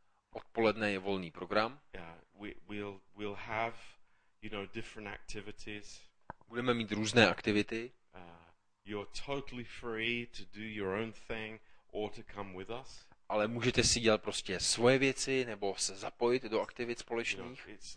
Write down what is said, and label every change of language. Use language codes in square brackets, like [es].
[cs] Odpoledne je volný program. [en] We'll have, you know, different activities. [cs] Budeme mít různé aktivity. [en] You're totally free to do your own thing or to come with us. [cs] Ale můžete si dělat prostě svoje věci nebo se zapojit do aktivit společných.